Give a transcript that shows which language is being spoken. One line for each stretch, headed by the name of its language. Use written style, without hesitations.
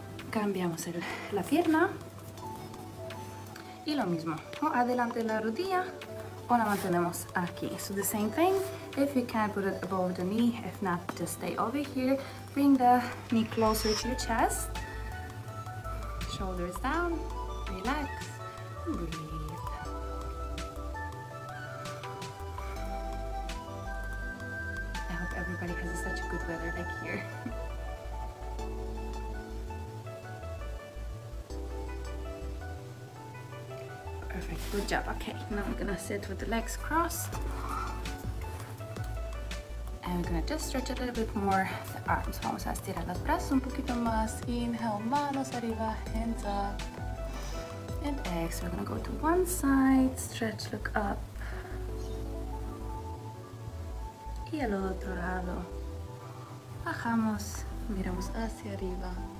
Spanish: Cambiamos la pierna y lo mismo, o adelante la rodilla o la mantenemos aquí.
English: So the same thing, if you can put it above the knee, if not just stay over here, bring the knee closer to your chest, shoulders down, relax, breathe. I hope everybody has such a good weather like here. Perfect, good job. Okay, now we're gonna sit with the legs crossed. And we're gonna just stretch a little bit more the arms.
Spanish: Vamos a estirar los brazos un poquito más.
English: Inhale,
Spanish: manos arriba,
English: hands up. And exhale, we're gonna go to one side, stretch, look up.
Spanish: Y al otro lado. Bajamos, miramos hacia arriba.